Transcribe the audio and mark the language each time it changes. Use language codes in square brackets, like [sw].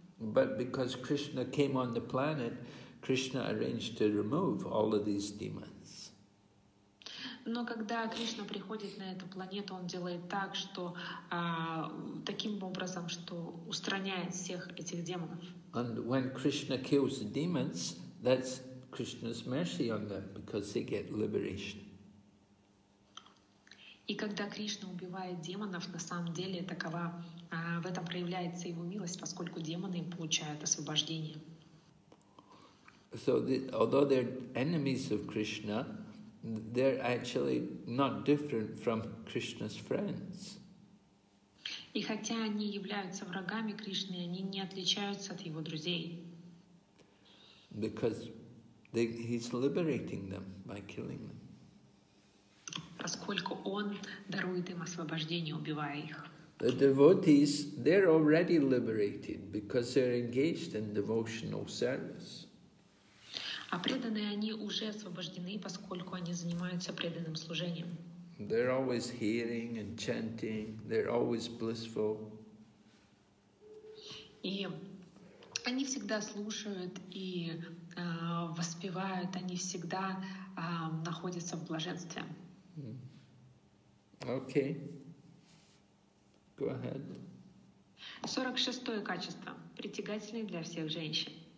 [en] But because Krishna came on the planet, Krishna arranged to remove all of these demons. [ru] Но когда Кришна приходит на эту планету, он делает так, что таким образом, что устраняет всех этих демонов. [en] And when Krishna kills the demons, that's Krishna's mercy on them because they get liberation. [ru] И когда Кришна убивает демонов, на самом деле такова в этом проявляется его милость, поскольку демоны получают освобождение. [en] So the, although they're enemies of Krishna, they're actually not different from Krishna's friends. [ru] И хотя они являются врагами Кришны, они не отличаются от его друзей. [en] Because they, he's liberating them by killing them. [ru] Поскольку он дарует им освобождение, убивая их. [en] The devotees, they're already liberated because they're engaged in devotional service. [ru] А преданные, они уже освобождены, поскольку они занимаются преданным служением. [en] They're always hearing and chanting, they're always blissful. [ru] И они всегда слушают и воспевают, они всегда находятся в блаженстве. [en] Okay. Go ahead. [ru] 46-е качество, притягательное для всех женщин.